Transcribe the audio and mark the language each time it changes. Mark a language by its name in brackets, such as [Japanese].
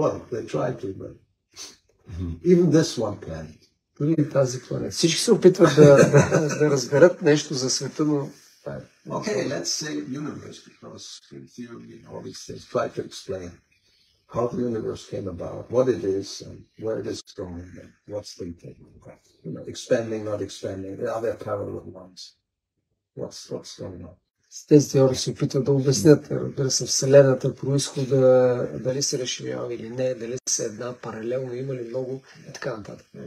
[English] Well, they tried to, but even this one planet. [Bulgarian] Дори тази планета. Всички се опитват да разберат нещо за света, но [English] okay, let's say universe, because in theory and all these things, try to explain how the universe came about, what it is, and where it is going, and what's the intent, you know, expanding, not expanding, are there parallel ones, what's going on? [Bulgarian] Тези теории се опитват да обяснят, разбира се, Вселената, произхода, дали се разширява или не, дали се една паралелно, има ли много и така нататък.